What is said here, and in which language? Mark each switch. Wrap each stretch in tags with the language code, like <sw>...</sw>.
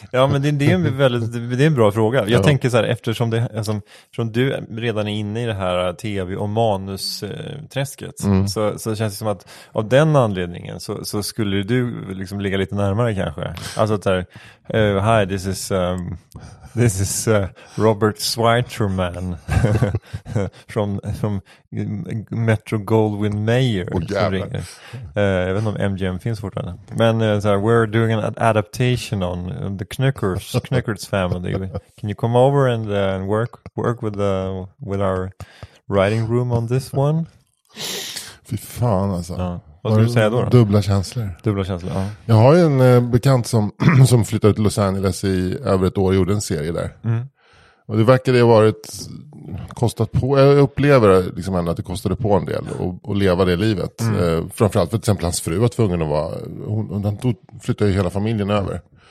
<sv>Ja, men det är en bra fråga. Jag tänker så här, eftersom det, alltså, från du redan är inne i det här tv- och manusträsket, så känns det som att av den anledningen så skulle du liksom ligga lite närmare kanske. Alltså att så här,</sv> <en>hi, this is Robert Schweitzerman from Metro Goldwyn Mayer. Oh,</en> <sv>jag vet inte om MGM finns fortfarande. Men så här,</sv> <en>we're doing an adaptation on the Knickers family. Can you come over and work with our writing room on this one?</en> <sv>Fy fan alltså. Ja. Vad ska du säga då? Dubbla känslor, ja. Jag har ju en bekant som flyttade till Los Angeles i över ett år och gjorde en serie där. Mm. Och det verkar det ha varit kostat på. Jag upplever liksom ändå att det kostade på en del att leva det livet. Mm. Framförallt för till exempel hans fru var tvungen att vara... Hon flyttade ju hela familjen över.</sv>